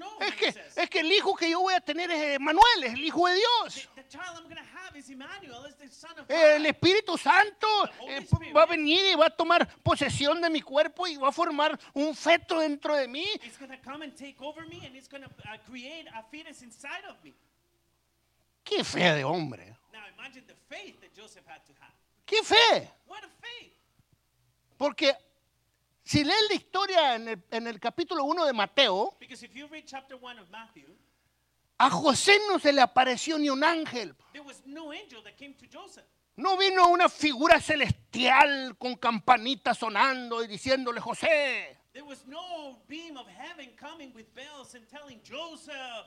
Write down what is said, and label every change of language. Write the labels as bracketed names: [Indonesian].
[Spanish] Es que, el hijo que yo voy a tener es Emmanuel, es el hijo de Dios. [English] The child I'm going to have is Emmanuel, is the son of God. [Spanish] El Espíritu Santo va a venir y va a tomar posesión de mi cuerpo y va a formar un feto dentro de mí. [English] He's going to come and take over me and he's going to create a fetus inside of me. [Spanish] ¡Qué fe de hombre! [English] Now imagine the faith that Joseph had to have. [Spanish] ¡Qué fe! [English] What a faith! [Spanish] Porque si lees la historia en el capítulo 1 de Mateo, [English] because if you read chapter 1 of Matthew, [Spanish] a José no se le apareció ni un ángel. [English] There was no angel that came to Joseph. [Spanish] No vino una figura celestial con campanita sonando y diciéndole, José. [English] There was no beam of heaven coming with bells and telling Joseph,